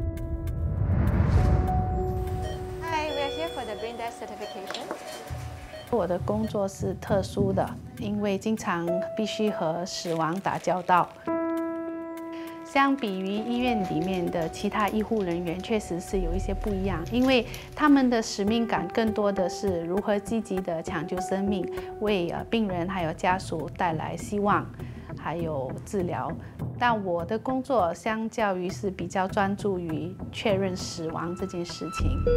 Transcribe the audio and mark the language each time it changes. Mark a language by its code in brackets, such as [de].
[zh] 陌生人间肾脏是很少的，可能5年一个。我几年前捐赠了一个肾脏给陌生人。 [en] Hi, we are here for the brain death certification. [zh] 我的工作是特殊的，因为经常必须和死亡打交道。相比于医院里面的其他医护人员，确实是有一些不一样。因为他们的使命感更多的是如何积极的抢救生命，为病人还有家属带来希望，还有治疗。但我的工作相较于是比较专注于确认死亡这件事情。